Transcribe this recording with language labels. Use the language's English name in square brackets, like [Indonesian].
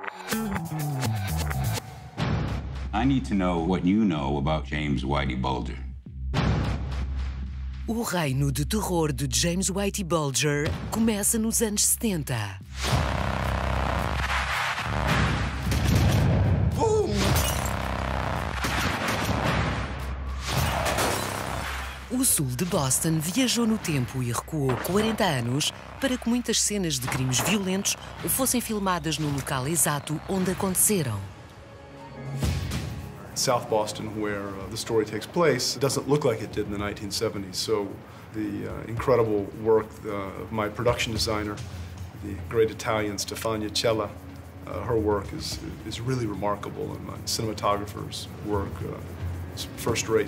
[English] I need to know what you know about James Whitey Bulger. [Portuguese] O reino de terror de James Whitey Bulger começa nos anos 70. Boom! O sul de Boston viajou no tempo e recuou 40 anos para que muitas cenas de crimes violentos fossem filmadas no local exato onde aconteceram. [English] South Boston, where the story takes place, doesn't look like it did in the 1970s. So the incredible work of my production designer, the great Italian Stefania Cella, her work is really remarkable, and my cinematographer's work is first rate.